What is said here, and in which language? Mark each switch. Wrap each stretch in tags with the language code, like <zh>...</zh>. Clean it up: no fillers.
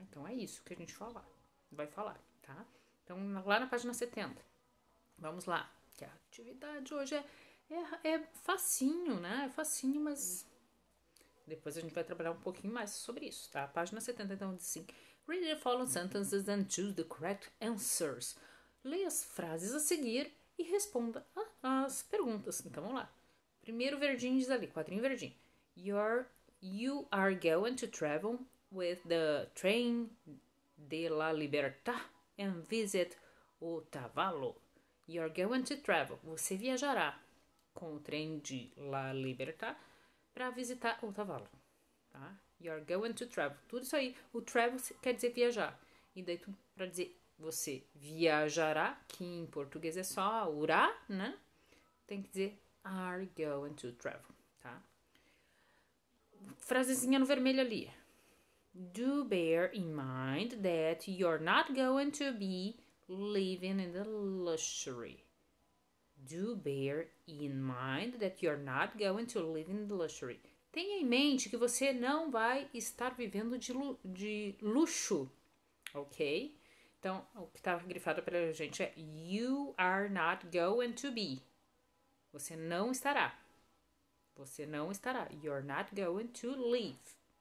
<pt>Então é isso que a gente vai falar, tá? Então lá na página 70, vamos lá, que a atividade hoje é facinho, né? É facinho, mas depois a gente vai trabalhar um pouquinho mais sobre isso, tá? Página 70, então, diz assim:</pt> <en>Read the following sentences and choose the correct answers.</en> <pt>Leia as frases a seguir e responda às perguntas. Então vamos lá. Primeiro verdinho diz ali, quadrinho verdinho.</pt> <en>You are going to travel with the train de La Libertad and visit Otavalo. You are going to travel.</en> <pt>Você viajará com o trem de La Libertad para visitar Otavalo. Tá?</pt> <en>You are going to travel.</en> <pt>Tudo isso aí. O travel quer dizer viajar. E daí, para dizer você viajará, que em português é só urá, né? Tem que dizer</pt> <en>are going to travel,</en> <pt>tá? Frasezinha no vermelho ali.</pt> <en>Do bear in mind that you're not going to be living in the luxury. Do bear in mind that you're not going to live in the luxury.</en> <pt>Tenha em mente que você não vai estar vivendo de luxo, ok? Então, o que está grifado para a gente é</pt> <en>you are not going to be.</en> <pt>Você não estará. Você não estará.</pt> <en>You're not going to leave.</en>